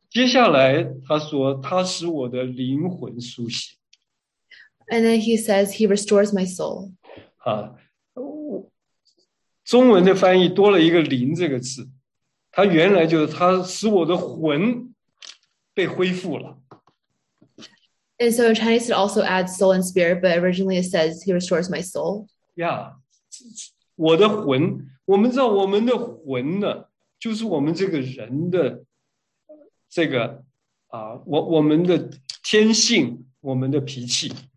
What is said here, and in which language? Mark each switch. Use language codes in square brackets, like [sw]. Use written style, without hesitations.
[zh] 接下来他说，他使我的灵魂苏醒。 [en] And then he says, he restores my soul. [zh] 中文的翻译多了一个灵这个字，它原来就是它使我的魂被恢复了。 [en] And so in Chinese it also adds soul and spirit, but originally it says he restores my soul. [zh] Yeah, 我的魂，我们知道我们的魂呢，就是我们这个人的这个我们的天性，我们的脾气。